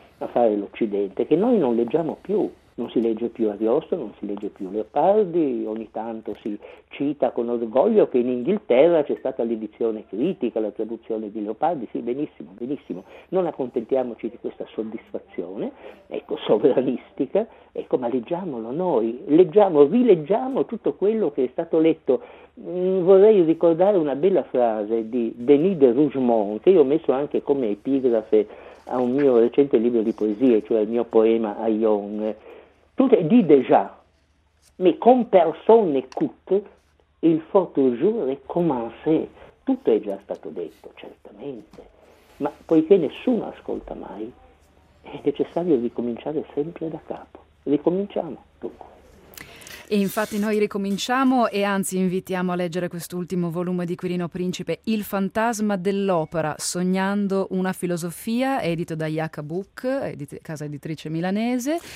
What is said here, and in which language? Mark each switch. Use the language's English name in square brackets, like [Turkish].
[Italian] a fare l'Occidente, che noi non leggiamo più, non si legge più Ariosto, non si legge più Leopardi, ogni tanto si cita con orgoglio che in Inghilterra c'è stata l'edizione critica, la traduzione di Leopardi, sì, benissimo, benissimo, non accontentiamoci di questa soddisfazione, ecco, sovranistica, ecco, ma leggiamolo noi, leggiamo, rileggiamo tutto quello che è stato letto. Vorrei ricordare una bella frase di Denis de Rougemont, che io ho messo anche come epigrafe a un mio recente libro di poesie, cioè il mio poema A Young. [French] Tu te dis déjà, mais comme personne n'écoute, il faut toujours recommencer. [Italian] Tutto è già stato detto, certamente, ma poiché nessuno ascolta mai, è necessario ricominciare sempre da capo. Ricominciamo, dunque. E infatti noi ricominciamo e anzi invitiamo a leggere quest'ultimo volume di Quirino Principe, Il fantasma dell'opera, sognando una filosofia, edito da Iacabook, casa editrice milanese.